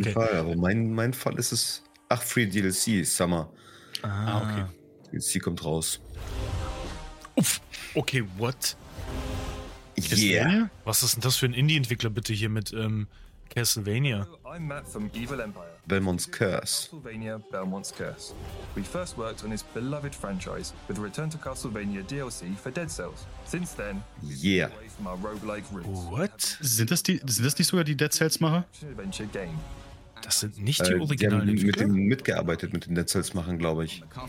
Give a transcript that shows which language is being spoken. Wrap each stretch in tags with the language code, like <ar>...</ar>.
<de>Auf jeden Fall. Aber mein Fall ist es. Ach, Free DLC, Summer. Ah, okay. DLC kommt raus.</de> <en>Uff, okay, what? Yeah.</en> <de>Was ist denn das für ein Indie-Entwickler bitte hier mit Castlevania?</de> <en>I'm Matt from Evil Empire. Belmont's Curse. Castlevania, Belmont's Curse. We first worked on his beloved franchise with the Return to Castlevania DLC for Dead Cells. Since then, yeah. From our roguelike roots. What?</en> <de>Sind das nicht sogar die Dead Cells-Macher?</de> <en>Adventure</en> <de>game. Das sind nicht die originalen Entwickler. Die haben mitgearbeitet mit den Dead Cells machen, glaube ich.</de>